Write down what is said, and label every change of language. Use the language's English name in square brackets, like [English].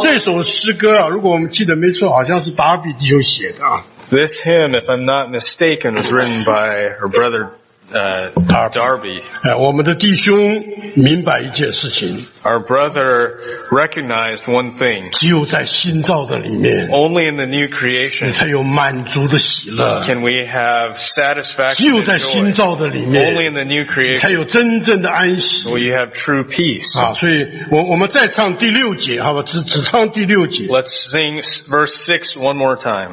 [Chinese] 这首诗歌啊，如果我们记得没错，好像是达比弟兄写的啊。 [English] This hymn, if I'm not mistaken, was written by her brother, Darby. [Chinese] 我们的弟兄明白一件事情。 [English] Our brother recognized one thing. [Chinese] 只有在新造的里面。 [English] Only in the new creation. [Chinese] 才有满足的喜乐。 [English] Can we have satisfaction? [Chinese] 只有在新造的里面。 [English] Only in the new creation. [Chinese] 才有真正的安息。 [English] Will you have true peace? [Chinese] 啊，所以我们再唱第六节，好吧？只唱第六节。 [English] Let's sing verse 6 one more time.